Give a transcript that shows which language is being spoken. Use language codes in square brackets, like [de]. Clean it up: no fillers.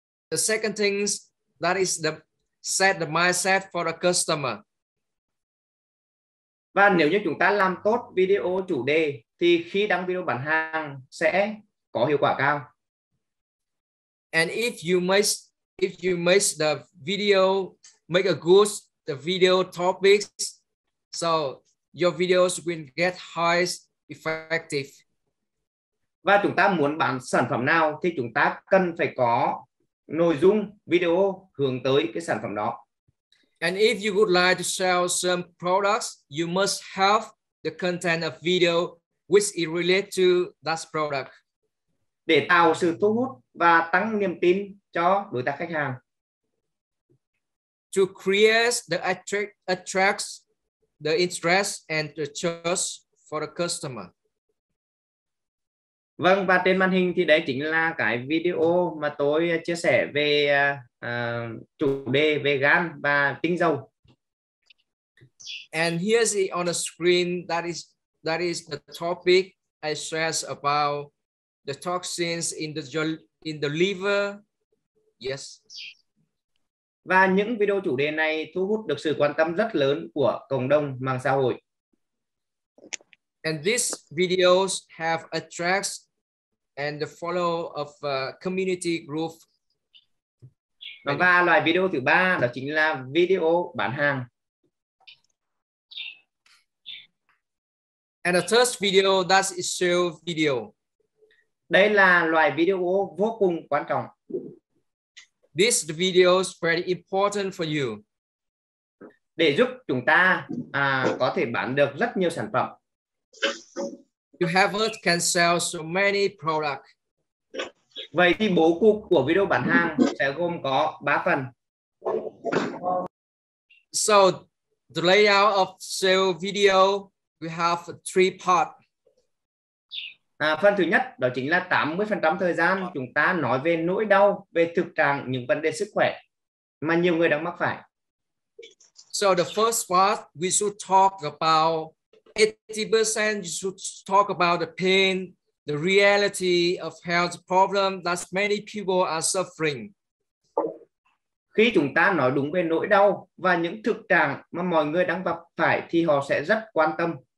[en] The second thing is that is the set the mindset for the customer. [vi] Và nếu như chúng ta làm tốt video chủ đề thì khi đăng video bán hàng sẽ có hiệu quả cao. [en] And if you make the video, make a good the video topics, so your videos will get high effective. [vi] Và chúng ta muốn bán sản phẩm nào thì chúng ta cần phải có nội dung video hướng tới cái sản phẩm đó. [en] And if you would like to sell some products, you must have the content of video which is related to that product. [vi] Để tạo sự thu hút và tăng niềm tin cho đối tác khách hàng. [en] To create the attracts the interest and the trust for the customer. [vi] Vâng, và trên màn hình thì đấy chính là cái video mà tôi chia sẻ về chủ đề về gan và tinh dầu. [en] And here's it on the screen, that is the topic I stress about the toxins in the liver. Yes. [vi] Và những video chủ đề này thu hút được sự quan tâm rất lớn của cộng đồng mạng xã hội. [en] And these videos have attracts and the follow of community group. [vi] Và loại video thứ ba đó chính là video bán hàng. [en] And the third video, that is sales video. [vi] Đây là loại video vô cùng quan trọng. [en] This video is very important for you. [vi] Để giúp chúng ta có thể bán được rất nhiều sản phẩm. [en] You have it can sell so many products. [vi] Vậy thì bố cục của video bán hàng sẽ gồm có 3 phần. [en] So the layout of sale video, we have 3 parts. [vi] Phần thứ nhất đó chính là 80% thời gian chúng ta nói về nỗi đau, về thực trạng những vấn đề sức khỏe mà nhiều người đang mắc phải. [en] So the first part we should talk about 80% you should talk about the pain, the reality of health problem that many people are suffering. [vi] Khi chúng ta nói đúng về nỗi đau và những thực trạng mà mọi người đang gặp phải thì họ sẽ rất quan tâm.